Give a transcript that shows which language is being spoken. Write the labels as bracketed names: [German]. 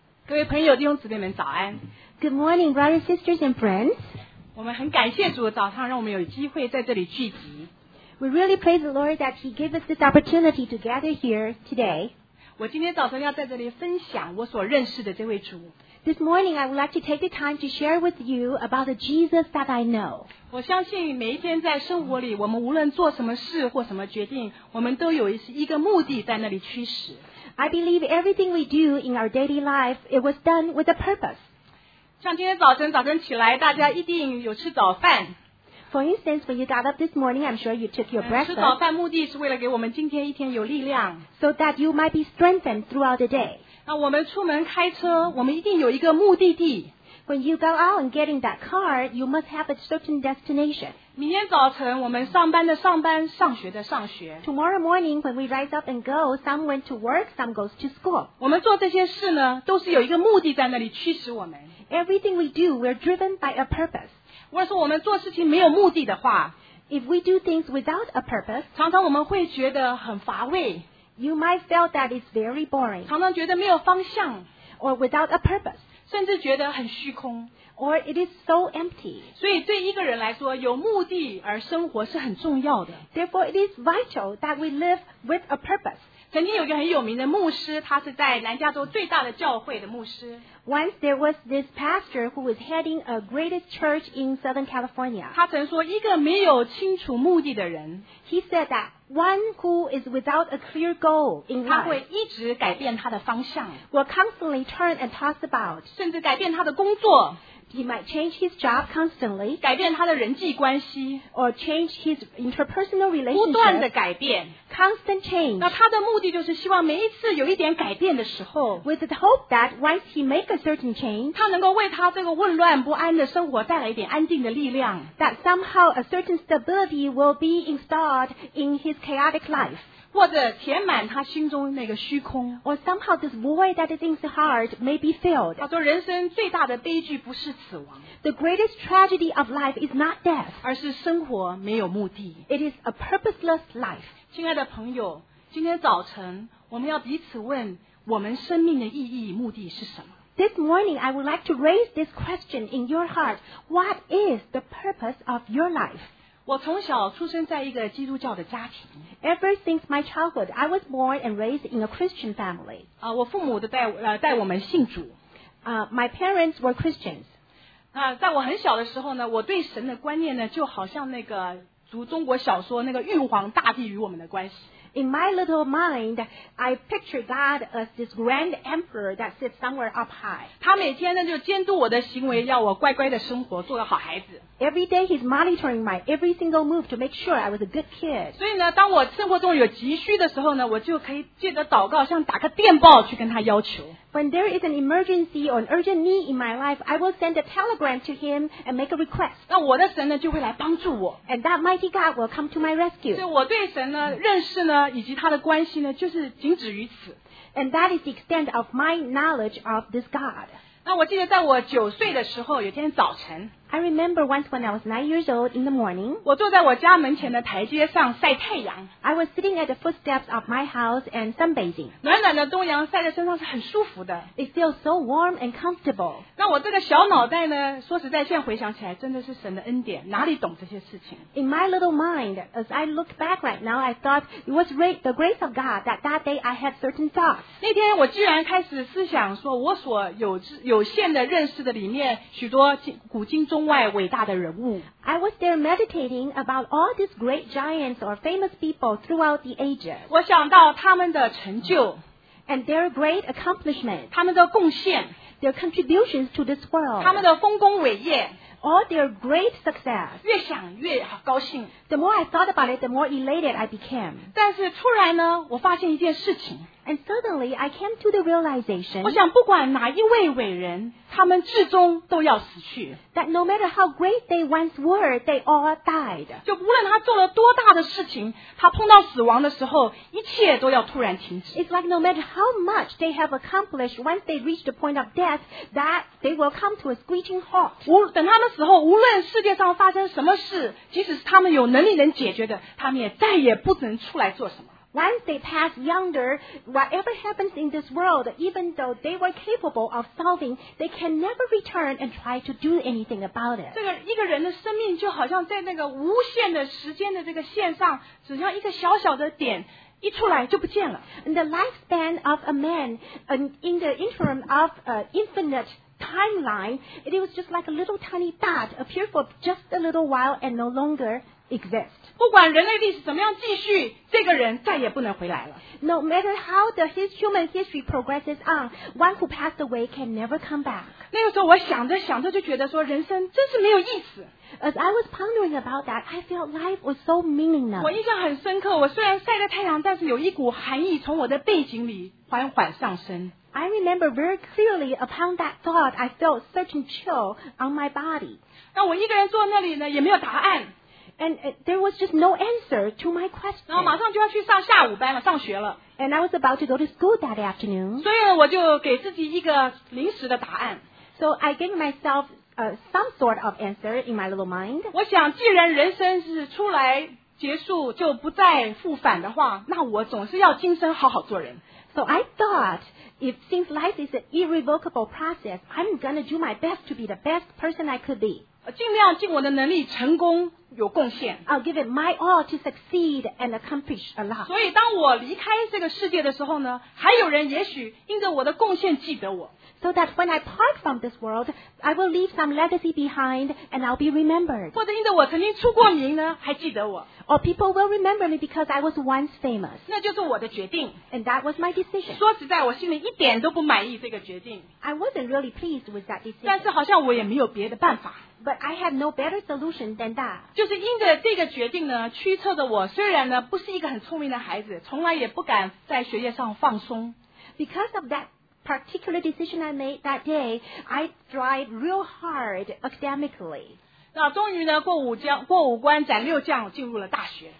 [Chinese] 各位朋友弟兄姊妹们早安。 [English] Good morning, brothers, sisters, and friends. [Chinese] 我们很感谢主的早上让我们有机会在这里聚集。 [English] We really praise the Lord that He gave us this opportunity to gather here today. [Chinese] 我今天早上要在这里分享我所认识的这位主。 [English] This morning, I would like to take the time to share with you about the Jesus that I know. [Chinese] 我相信每一天在生活里，我们无论做什么事或什么决定，我们都有一个目的在那里驱使。 [English] I believe everything we do in our daily life, it was done with a purpose. [Chinese] 像今天早晨，早晨起来，大家一定有吃早饭。 [English] For instance, when you got up this morning, I'm sure you took your breakfast. [Chinese] 吃早饭目的是为了给我们今天一天有力量。 [English] So that you might be strengthened throughout the day. [Chinese] 那我们出门开车，我们一定有一个目的地。 [English] When you go out and get in that car, you must have a certain destination. [Chinese] 明天早晨我们上班的上班，上学的上学。 [English] Tomorrow morning, when we rise up and go, some went to work, some goes to school. [Chinese] 我们做这些事呢，都是有一个目的在那里驱使我们。 [English] Everything we do, we're driven by a purpose. [Chinese] 或者说我们做事情没有目的的话， [English] If we do things without a purpose, [Chinese] 常常我们会觉得很乏味。 [English] You might feel that it's very boring. [Chinese] 常常觉得没有方向。 [English] Or without a purpose. [Chinese] 甚至觉得很虚空。 [English] Or it is so empty. [Chinese] 所以对一个人来说，有目的而生活是很重要的。 [English] Therefore it is vital that we live with a purpose. [Chinese] 曾经有一个很有名的牧师，他是在南加州最大的教会的牧师。 [English] Once there was this pastor who was heading a greatest church in Southern California. [Chinese] 他曾说一个没有清楚目的的人， [English] He said that one who is without a clear goal in life, [Chinese] 他会一直改变他的方向， [English] will constantly turn and toss about, [Chinese] 甚至改变他的工作， [English] he might change his job constantly, [Chinese] 改变他的人际关系， [English] or change his interpersonal relationship, [Chinese] 不断的改变， [English] constant change. [Chinese] 那他的目的就是希望每一次有一点改变的时候， [English] with the hope that once he make a certain change, [Chinese] 他能够为他这个混乱不安的生活带来一点安定的力量， [English] that somehow a certain stability will be installed in his chaotic life, [Chinese] 或者填满他心中那个虚空， [English] or somehow this void that is in his heart may be filled. [Chinese] 他说人生最大的悲剧不是死亡， [English] the greatest tragedy of life is not death, [Chinese] 而是生活没有目的， [English] it is a purposeless life. [Chinese] 亲爱的朋友，今天早晨我们要彼此问我们生命的意义目的是什么。 [English] This morning I would like to raise this question in your heart, what is the purpose of your life? [Chinese] 我从小出生在一个基督教的家庭。 [English] Ever since my childhood, I was born and raised in a Christian family. [Chinese] 我父母都带我们信主。 [English] My parents were Christians. [Chinese] 在我很小的时候呢，我对神的观念呢，就好像那个读中国小说那个玉皇大帝与我们的关系。 [English] In my little mind, I picture God as this grand emperor that sits somewhere up high. [Chinese] 他每天呢就监督我的行为，要我乖乖的生活，做个好孩子。 [English] Every day he's monitoring my every single move to make sure I was a good kid. [Chinese] 所以呢，当我生活中有急需的时候呢，我就可以借着祷告，像打个电报去跟他要求。 [English] When there is an emergency or an urgent need in my life, I will send a telegram to him and make a request. [Chinese] 那我的神呢，就会来帮助我。 [English] And that mighty God will come to my rescue. [Chinese] 所以我对神呢，认识呢，以及他的关系呢，就是仅止于此。 [English] And that is the extent of my knowledge of this God. [Chinese] 那我记得在我九岁的时候，有天早晨。 [English] I remember once when I was 9 years old in the morning. [Chinese] 我坐在我家门前的台阶上晒太阳。 [English] I was sitting at the footsteps of my house and sunbathing. [Chinese] 暖暖的冬阳晒在身上是很舒服的。 [English] It feels so warm and comfortable. [Chinese] 那我这个小脑袋呢，说实在，现在回想起来，真的是神的恩典，哪里懂这些事情。 [English] In my little mind, as I look back right now, I thought it was the grace of God that that day I had certain thoughts. [Chinese] 那天我居然开始思想说，我所有限的认识的里面，许多古今中外伟大的人物。 [English] I was there meditating about all these great giants or famous people throughout the ages. [Chinese] 我想到他们的成就。 [English] And their great accomplishments. [Chinese] 他们的贡献。 [English] Their contributions to this world. [Chinese] 他们的丰功伟业。 [English] All their great success. [Chinese] 越想越高兴。 [English] The more I thought about it, the more elated I became. [Chinese] 但是突然呢，我发现一件事情。 [English] And suddenly, I came to the realization. [Chinese] 我想不管哪一位伟人，他们至终都要死去。 [English] That no matter how great they once were, they all died. [Chinese] 就无论他做了多大的事情，他碰到死亡的时候，一切都要突然停止。 [English] It's like no matter how much they have accomplished, once they reach the point of death, that they will come to a screeching halt. [Chinese] 等他们死后，无论世界上发生什么事，即使是他们有能力能解决的，他们也再也不能出来做什么。 [English] Once they pass younger, whatever happens in this world, even though they were capable of solving, they can never return and try to do anything about it. [Chinese] 这个一个人的生命就好像在那个无限的时间的这个线上，只像一个小小的点。一出来就不见了。 [English] And the lifespan of a man, in the interim of an infinite timeline, it was just like a little tiny dot appeared for just a little while and no longer exists. [Chinese] 不管人类历史怎么样继续，这个人再也不能回来了。 [English] No matter how the human history progresses on, one who passed away can never come back. [Chinese] 那个时候我想着想着就觉得说人生真是没有意思。 [English] As I was pondering about that, I felt life was so meaningless. [Chinese] 我印象很深刻，我虽然晒着太阳，但是有一股寒意从我的背景里缓缓上升。 [English] I remember very clearly upon that thought, I felt such a chill on my body. [Chinese] 那我一个人坐那里呢，也没有答案。 [English] And there was just no answer to my question. [Chinese] 然后马上就要去上下午班了，上学了。 [English] And I was about to go to school that afternoon. [Chinese] 所以呢，我就给自己一个临时的答案。 [English] So I gave myself some sort of answer in my little mind. [Chinese] 我想，既然人生是出来结束就不再复返的话，那我总是要今生好好做人。 [English] So I thought, if since life is an irrevocable process, I'm going to do my best to be the best person I could be. [Chinese] 尽量尽我的能力成功有贡献。 [English] I'll give it my all to succeed and accomplish a lot. [Chinese] 所以当我离开这个世界的时候呢，还有人也许因着我的贡献记得我。 [English] So that when I part from this world, I will leave some legacy behind and I'll be remembered. [Chinese] 或者因着我曾经出过名呢，还记得我。 [English] Or people will remember me because I was once famous. [Chinese] 那就是我的决定。 [English] And that was my decision. [Chinese] 说实在，我心里一点都不满意这个决定。 [English] I wasn't really pleased with that decision. [Chinese] 但是好像我也没有别的办法。 [English] But I had no better solution than that. [Chinese] 就是因着这个决定呢，驱策着我，虽然呢不是一个很聪明的孩子，从来也不敢在学业上放松。 [English] Because of that particular decision I made that day, I tried real hard academically. [Chinese] 那终于呢过五关斩六将进入了大学。